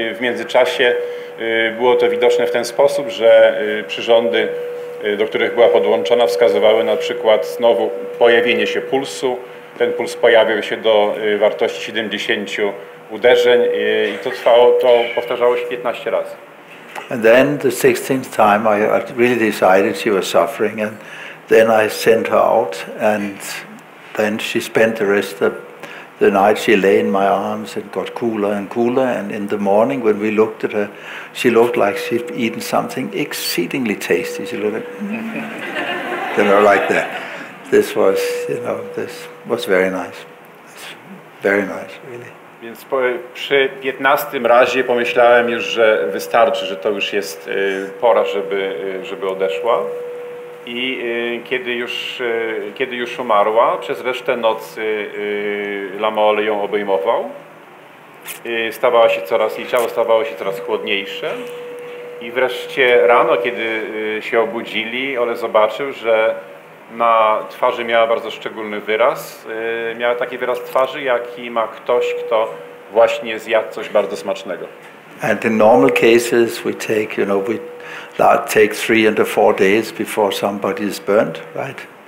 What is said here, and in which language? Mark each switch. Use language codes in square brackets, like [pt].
[pl] W międzyczasie było to widoczne w ten sposób, że przyrządy, do których była podłączona, wskazywały na przykład znowu pojawienie się pulsu. Ten puls pojawił się do wartości 70 uderzeń i to trwało, to powtarzało się 15 razy. [en] And then the 16th time I really decided she was suffering, and then I sent her out, and then she spent the rest of the night, she lay in my arms and got cooler and cooler, and in the morning when we looked at her, she looked like she'd eaten something exceedingly tasty. She looked like, you know, like that. This was, you know, this was very nice. It's very nice, really. [pl] Więc przy 15 razie pomyślałem już, że wystarczy, że to już jest pora, żeby odeszła. I kiedy już umarła, przez resztę nocy Lamole ją obejmował. Jej ciało stawało się coraz chłodniejsze. I wreszcie rano, kiedy się obudzili, Ole zobaczył, że na twarzy miała bardzo szczególny wyraz. Miała taki wyraz twarzy, jaki ma ktoś, kto właśnie zjadł coś bardzo smacznego. [en] And in normal cases we take, you know, that takes 3 to 4 days before somebody is burnt, right?